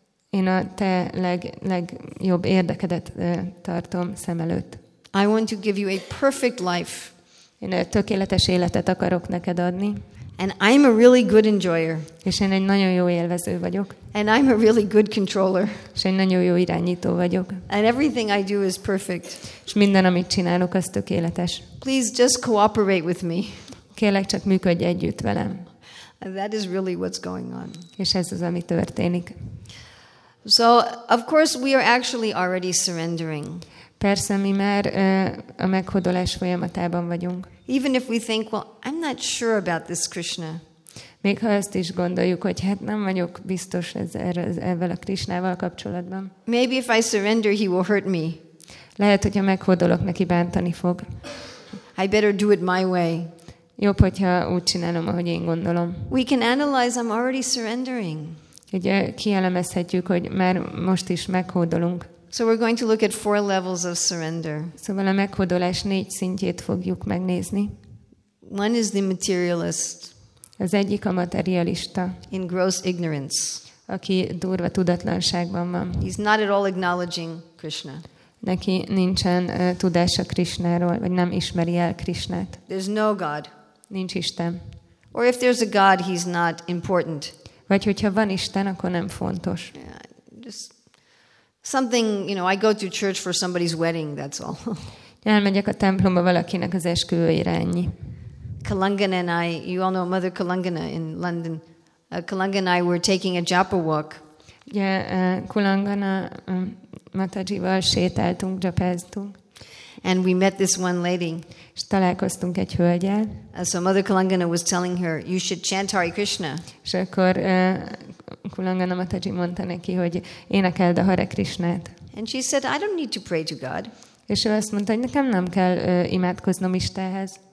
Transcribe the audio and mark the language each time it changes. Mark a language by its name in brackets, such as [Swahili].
[Hungarian] Én a te legjobb érdekedet tartom szem előtt. [English] I want to give you a perfect life. [Hungarian] Én a tökéletes életet akarok neked adni. [English] And I'm a really good enjoyer. [Hungarian] És én egy nagyon jó élvező vagyok. [English] And I'm a really good controller. [Hungarian] És én nagyon jó irányító vagyok. [English] And everything I do is perfect. [Hungarian] És minden, amit csinálok, az tökéletes. [English] Please just cooperate with me. [Hungarian] Kérlek, csak működj együtt velem. [English] And that is really what's going on. [Hungarian] És ez az, ami történik. [English] So, of course, we are actually already surrendering. [Hungarian] Persze, mi már a meghódolás folyamatában vagyunk. [English] Even if we think, well, I'm not sure about this Krishna. [Hungarian] Még ha ezt is gondoljuk, hogy hát nem vagyok biztos ezzel a Krishnával kapcsolatban. [English] Maybe if I surrender, he will hurt me. [Hungarian] Lehet, hogyha meghódolok, neki bántani fog. [English] I better do it my way. [Hungarian] Jobb, hogyha úgy csinálom, ahogy én gondolom. [English] We can analyze, I'm already surrendering. [Hungarian] Ugye kielemezhetjük, hogy már most is meghódolunk. [English] So we're going to look at four levels of surrender. [Hungarian] Szóval a meghódolás négy szintjét fogjuk megnézni. [English] One is the materialist. [Hungarian] Az egyik a materialista. [English] In gross ignorance. [Hungarian] Aki durva tudatlanságban van. [English] He's not at all acknowledging Krishna. [Hungarian] Neki nincsen tudása Krishnáról, vagy nem ismeri el Krishnát. [English] There's no God. [Hungarian] Nincs Isten. [English] Or if there's a God, he's not important. [Hungarian] Vagy hogyha van Isten, akkor nem fontos. [English] Yeah, just Something, you know, I go to church for somebody's wedding, that's all. [Hungarian] Elmegyek a templomba valakinek az esküvőjére, ennyi. [English] Kalangana and I, you all know Mother Kalangana in London. Kalangana and I were taking a japa walk. [Hungarian] Kalangana Matajival sétáltunk, japáztunk. [English] And we met this one lady. [Hungarian] És találkoztunk egy hölgyel. [English] So Mother Kalangana was telling her, you should chant Hare Krishna. [Hungarian] És akkor Kalangana Mataji mondta neki, hogy énekeld a Hare Krishnát. [English] And she said, I don't need to pray to God. [Hungarian] És ő azt mondta, hogy nekem nem kell imádkoznom Istenhez.